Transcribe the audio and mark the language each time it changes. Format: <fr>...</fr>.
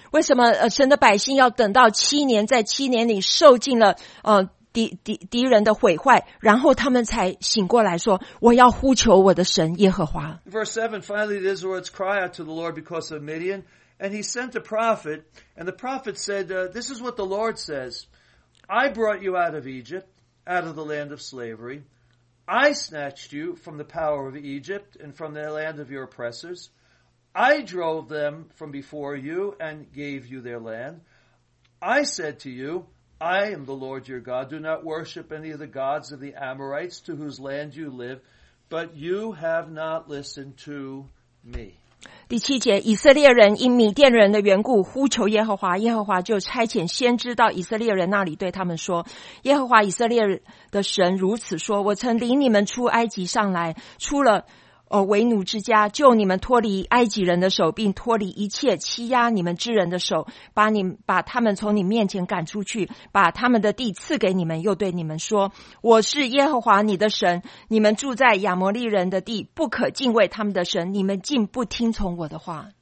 <zh>为什么神的百姓要等到七年，在七年里受尽了敌人的毁坏，然后他们才醒过来说，我要呼求我的神耶和华。</zh> <en>Verse 7, finally the Israelites cry out to the Lord because of Midian, and he sent a prophet, and the prophet said, this is what the Lord says, I brought you out of Egypt,out of the land of slavery. I snatched you from the power of Egypt and from the land of your oppressors. I drove them from before you and gave you their land. I said to you, I am the Lord your God. Do not worship any of the gods of the Amorites to whose land you live, but you have not listened to me.</en> <zh>第七节，以色列人因米甸人的缘故呼求耶和华，耶和华就差遣先知到以色列人那里对他们说，耶和华以色列的神如此说，我曾领你们出埃及上来，出了为奴之家，救你们脱离埃及人的手，并脱离一切欺压你们之人的手，把他们从你面前赶出去，把他们的地赐给你们，又对你们说，我是耶和华你的神，你们住在亚摩利人的地，不可敬畏他们的神，你们竟不听从我的话。</zh>